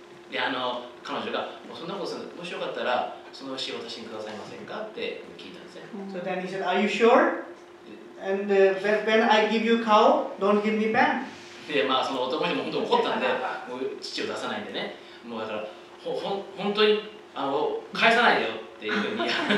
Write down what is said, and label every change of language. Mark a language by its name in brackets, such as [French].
[Japanese] で、あの彼女がもうそんなことする、もしよかったらその牛を私にくださいませんかって聞いたんですね。 [English] So then he said, are you sure? And when I give you cow, don't give me back. [Japanese] で、まあ、その男の人も本当に怒ったんで、もう乳を出さないんでね、もうだから本当にあの返さないでよっていうふうに